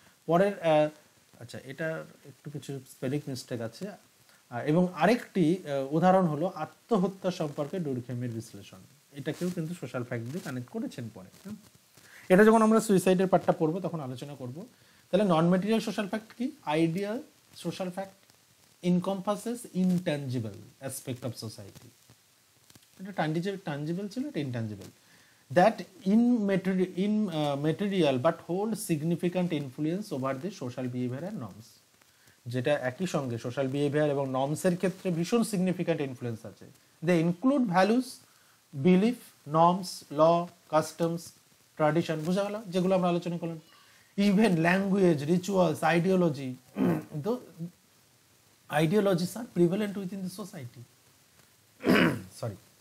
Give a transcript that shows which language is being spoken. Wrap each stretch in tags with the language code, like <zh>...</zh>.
<bn>পরের, আচ্ছা এটার একটু কিছু স্পেলিং মিস্টেক আছে, এবং আরেকটি উদাহরণ হলো আত্মহত্যা সম্পর্কে ডুর্কহেইমের বিশ্লেষণ, এটাকেও কিন্তু সোশ্যাল ফ্যাক্ট দিয়ে কানেক্ট করেছেন পরে। এটা যখন আমরা সুইসাইডের পার্টটা পড়বো তখন আলোচনা করব। তাহলে নন মেটেরিয়াল সোশ্যাল ফ্যাক্ট কি?</bn> <en>Ideal social fact encompasses intangible aspect of society.</en> <bn>এটা ট্যাঞ্জিবল ছিল, এটা intangible.</bn> <en>That immaterial but hold significant influence over the social behavior and norms.</en> <bn>যেটা একই সঙ্গে সোশ্যাল বিহেভিয়ার এবং নর্মসের ক্ষেত্রে ভীষণ সিগনিফিকেন্ট ইনফ্লুয়েন্স আছে।</bn> <en>they include values, belief, norms, law, customs, tradition,</en> <bn>বোঝা গেল যেগুলো আমরা আলোচনা করলাম,</bn> <en>Even language, rituals, ideology, তো ideologies are prevalent within the society, sorry.</en>